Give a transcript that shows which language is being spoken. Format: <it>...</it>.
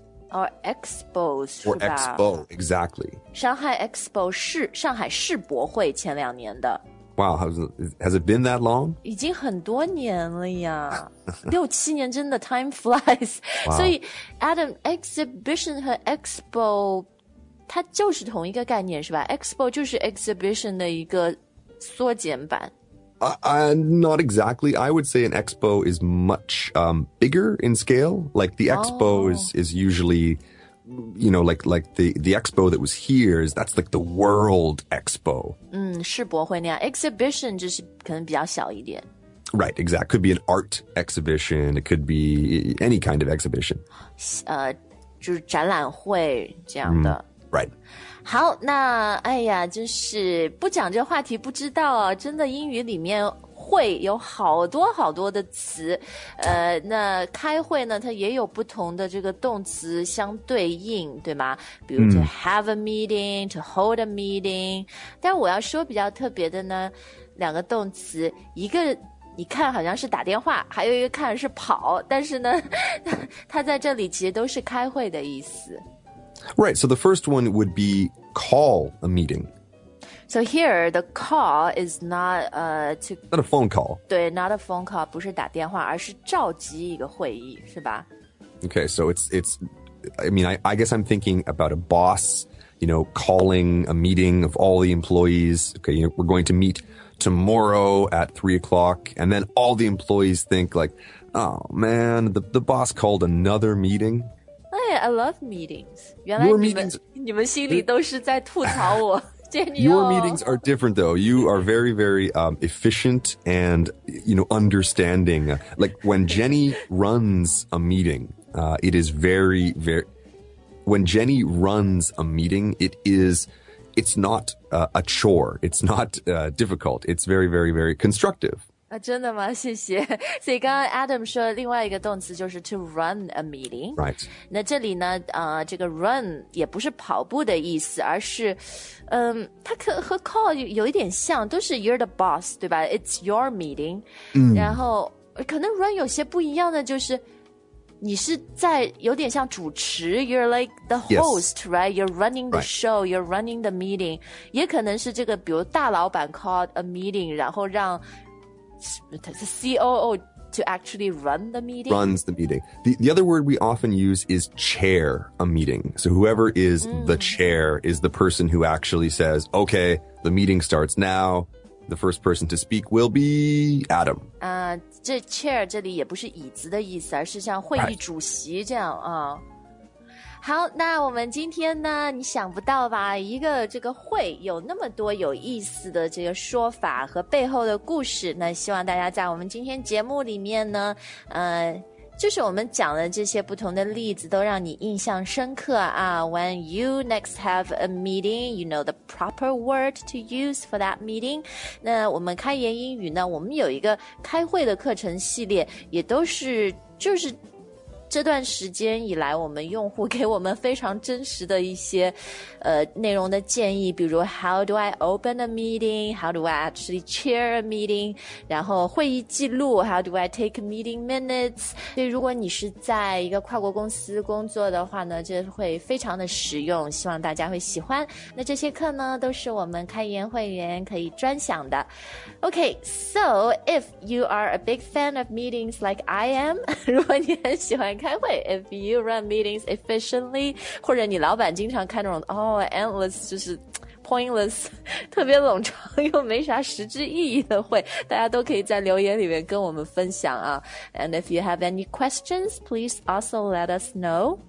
<en>Or expo,</en> <zh>是吧</zh> <en>？Or expo, exactly.</en> <zh>上海 expo 是上海世博会前两年的。</zh> <en>Wow, has it been that long?</en> <zh>已经很多年了呀，六七年真的</zh> <en>time flies. Wow.</en> <zh>所以 Adam, exhibition 和 expo 它就是同一个概念是吧 ？Expo 就是 exhibition 的一个缩减版。</zh> <en>Not exactly. I would say an expo is much bigger in scale. Like the expo is usually, you know, like the expo that was here is that's like the world expo.</en> <zh>嗯，世博会那样 exhibition 就是可能比较小一点。</zh> <en>Right, exactly. Could be an art exhibition. It could be any kind of exhibition.</en> <zh>就是展览会这样的。</zh> <en>Right.</en> <zh>好，那哎呀，就是不讲这个话题，不知道啊，真的英语里面会有好多好多的词，那开会呢，它也有不同的这个动词相对应，对吗？</zh> <en>比如 to have a meeting, to hold a meeting。</en> <zh>但我要说比较特别的呢，两个动词，一个你看好像是打电话，还有一个看是跑，但是呢，它在这里其实都是开会的意思。</zh> <en>Right, so the first one would be call a meeting. So here, the call is not a phone call.</en> <zh>对</zh> <en>not a phone call,</en> <zh>不是打电话而是召集一个会议是吧</zh> <en>Okay, so it's, I mean, I guess I'm thinking about a boss, you know, calling a meeting of all the employees. Okay, you know, we're going to meet tomorrow at 3 o'clock. And then all the employees think like, oh man, the boss called another meeting. Hey, I love meetings.</en> <zh>原来你们心里都是在吐槽我。</zh> <en>Your meetings are different, though. You are very, very efficient and, you know, understanding. Like when Jenny runs a meeting, it is very, very. When Jenny runs a meeting, it's not a chore. It's not difficult. It's very, very, very constructive.</en> <zh>啊、真的吗谢谢。所以刚刚 Adam 说另外一个动词就是</zh> <en>to run a meeting。 Right.</en> <zh>那这里呢这个 run 也不是跑步的意思而是它和 call 有一点像都是</zh> <en>you're the boss,</en> <zh>对吧 ?</zh> <en>It's your meeting.、 Mm.</en> <zh>然后可能 run 有些不一样的就是你是在有点像主持 ,</zh> <en>you're like the host,、 yes. right? You're running the show, you're running the meeting.</en> <zh>也可能是这个比如大老板</zh> <en>called a meeting,</en> <zh>然后让</zh> <en>The COO to actually run the meeting? Runs the meeting. The other word we often use is chair a meeting. So whoever is the chair is the person who actually says, okay, the meeting starts now. The first person to speak will be Adam.</en> <zh>这 chair 这里也不是椅子的意思而是像会议主席这样啊。好那我们今天呢你想不到吧一个这个会有那么多有意思的这个说法和背后的故事那希望大家在我们今天节目里面呢就是我们讲的这些不同的例子都让你印象深刻啊</zh> <en>When you next have a meeting, you know the proper word to use for that meeting.</en> <zh>那我们开言英语呢我们有一个开会的课程系列也都是就是这段时间以来我们用户给我们非常真实的一些内容的建议比如</zh> <en>How do I open a meeting? How do I actually chair a meeting?</en> <zh>然后会议记录</zh> <en>How do I take meeting minutes?</en> <zh>所以如果你是在一个跨国公司工作的话呢这会非常的实用希望大家会喜欢那这些课呢都是我们开言会员可以专享的</zh> <en>OK, so if you are a big fan of meetings like I am</en> <zh>如果你很喜欢开会</zh> <en>if you run meetings efficiently</en> <zh>或者你老板经常开那种</zh> <en>endless 就是 pointless</en> <zh>特别冗长又没啥实质意义的会大家都可以在留言里面跟我们分享啊</zh> <en>and if you have any questions please also let us know</en>